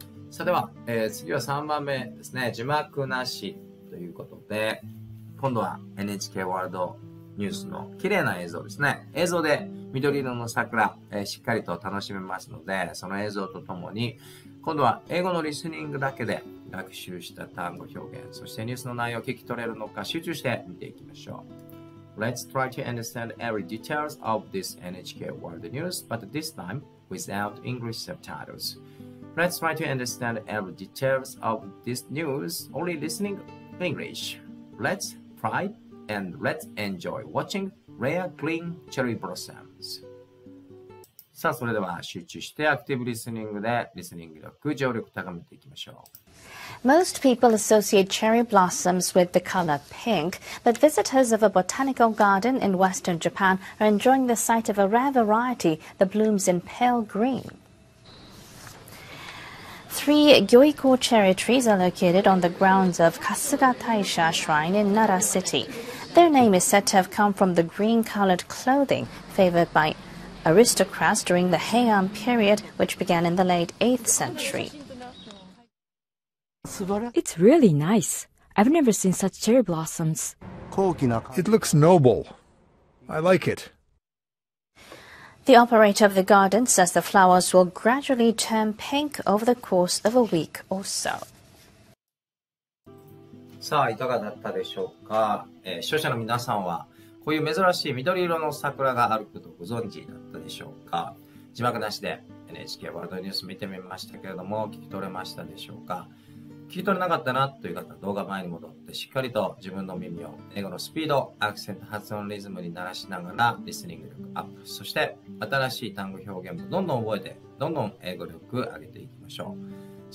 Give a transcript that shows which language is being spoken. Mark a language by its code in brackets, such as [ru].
[ja] さあでは、次は3番目ですね、字幕なしということで、今度は NHK ワールドニュースの綺麗な映像ですね、映像で緑色の桜、しっかりと楽しめますので、その映像とともに今度は英語のリスニングだけで学習した単語表現、そしてニュースの内容を聞き取れるのか集中して見ていきましょう。 [en] Let's try to understand every details of this NHK World News, but this time without English subtitles. Let's try to understand every details of this news, only listening English. Let's try and let's enjoy watching rare green cherry blossoms. [ja] さあそれでは集中してアクティブリスニングでリスニング力、聴力高めていきましょう。 [en] Most people associate cherry blossoms with the color pink, but visitors of a botanical garden in western Japan are enjoying the sight of a rare variety that blooms in pale green. Three Gyoiko cherry trees are located on the grounds of Kasuga Taisha Shrine in Nara City. Their name is said to have come from the green-colored clothing favored by aristocrats during the Heian period, which began in the late 8th century. It's really nice. I've never seen such cherry blossoms. It looks noble. I like it. The operator of the garden says the flowers will gradually turn pink over the course of a week or so. [ja] さあ、いかがだったでしょうか。視聴者の皆さんは、こういう珍しい緑色の桜があることをご存知だったでしょうか。字幕なしで NHK ワールドニュース見てみましたけれども、聞き取れましたでしょうか。聞き取れなかったなという方は動画前に戻ってしっかりと自分の耳を英語のスピード、アクセント、発音リズムに慣らしながらリスニング力アップ、そして新しい単語表現もどんどん覚えてどんどん英語力上げていきましょう。